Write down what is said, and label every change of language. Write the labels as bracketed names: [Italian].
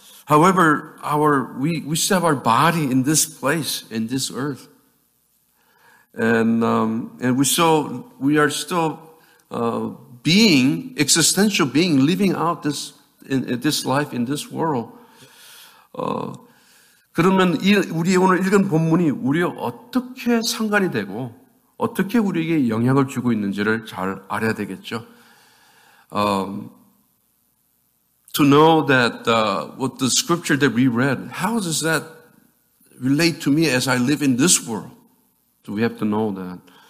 [English] However, we still have our body in this place, in this earth. And we are still being, existential being, living out this, in this life, in this world. [Korean] 그러면 우리 오늘 읽은 본문이 우리 어떻게 상관이 되고, 어떻게 우리에게 영향을 주고 있는지를 잘 알아야 되겠죠. [English] To know that what the scripture that we read, how does that relate to me as I live in this world? Do we have to know that?